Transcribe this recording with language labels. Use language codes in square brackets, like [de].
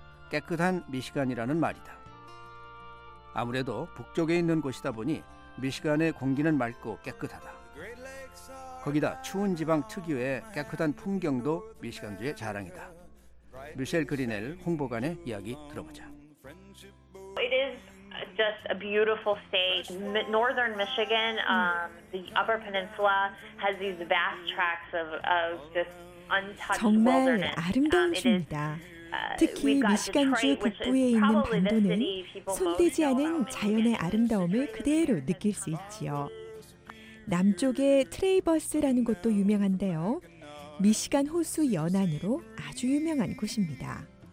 [ko] 깨끗한 미시간이라는 말이다. 아무래도 북쪽에 있는 곳이다 보니 미시간의 공기는 맑고 깨끗하다. 거기다 추운 지방 특유의 깨끗한 풍경도 미시간주의 자랑이다. 미셸 그리넬 홍보관의 이야기 들어보자. [en] It is just a beautiful state. Northern Michigan, the Upper Peninsula has these vast tracts of just untouched [ko] 정말 [en] wilderness. [ko] 아름다운 주입니다. 특히 미시간주 북부에 있는 반도는 손대지 않은 자연의 아름다움을 그대로 느낄 수 있지요. 남쪽에 트레이버스라는 곳도 유명한데요. 미시간 호수 연안으로 아주 유명한 곳입니다.